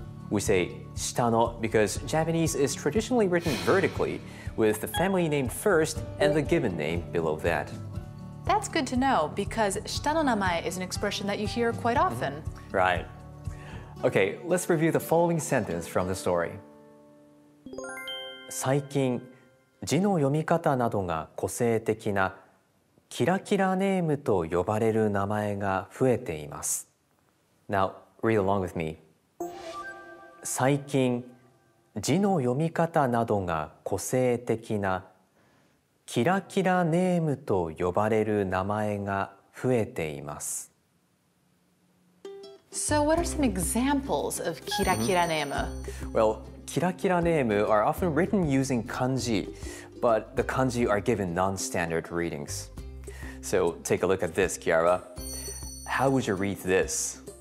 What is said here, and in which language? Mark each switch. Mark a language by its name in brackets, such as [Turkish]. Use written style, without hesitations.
[English] We say 下の because Japanese is traditionally written vertically,with the family name first and the given name below that. That's good to know, because 下の名前is an expression that you hear quite often. Right. Okay, let's review the following sentence from the story. [Japanese] 最近、字の読み方などが個性的なキラキラネームと呼ばれる名前が増えています。 [English] Now, read along with me. [Japanese] 最近、字の読み方などが個性的なキラキラネームと呼ばれる名前が増えています。 [English] So what are some examples of キラキラネーム? Well, キラキラネーム are often written using kanji, but the kanji are given non-standard readings. So take a look at this, Kiara. How would you read this?